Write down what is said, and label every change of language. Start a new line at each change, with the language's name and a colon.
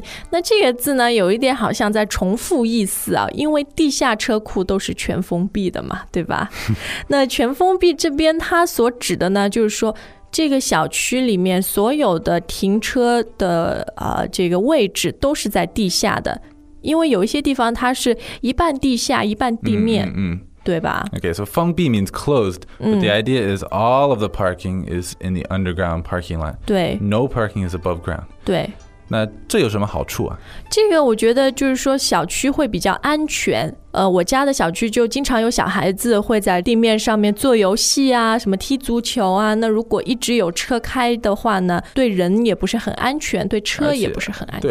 Chinese: 那这个字呢有一点好像在重复意思啊，因为地下车库都是全封闭的嘛，对吧？那全封闭这边它所指的呢就是说这个小区里面所有的停车的这个位置都是在地下的，因为有一些地方它是一半地下一半地面。对吧？
English: Okay, so 封闭 means closed, but the idea is all of the parking is in the underground parking lot.
Chinese: 对。
English: No parking is above ground.
Chinese: 对。那这有什么好处啊？这个我觉得就是说小区会比较安全。我家的小区就经常有小孩子会在地面上面做游戏啊，什么踢足球啊，那如果一直有车开的话呢，对人也不是很安全，对车也不是很安全。